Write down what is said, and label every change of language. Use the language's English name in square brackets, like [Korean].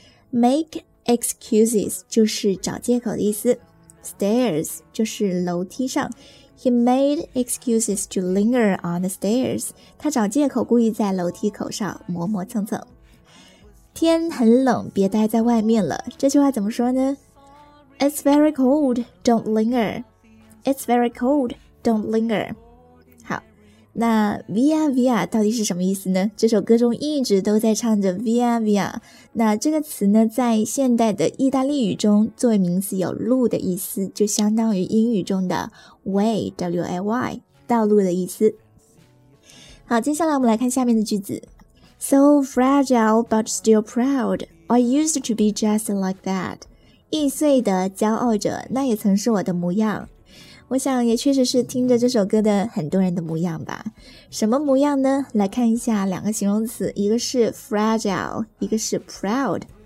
[Chinese] Make excuses 就是找借口的意思， stairs 就是楼梯上， [English] he made excuses to linger on the stairs， [Chinese] 他找借口故意在楼梯口上磨磨蹭蹭。天很冷，别待在外面了，这句话怎么说呢？ [English] It's very cold, don't linger. It's very cold, don't linger. [Chinese] 好，那 via via 到底是什么意思呢？这首歌中一直都在唱着 via via。那这个词呢，在现代的意大利语中作为名词有路的意思，就相当于英语中的 way， W-A-Y， 道路的意思。好，接下来我们来看下面的句子。 [English] So fragile but still proud, I used to be just like that. [Chinese] 易碎的骄傲着，那也曾是我的模样。我想也确实是听着这首歌的很多人的模样吧。什么模样呢？来看一下两个形容词，一个是 fragile， 一个是 proud。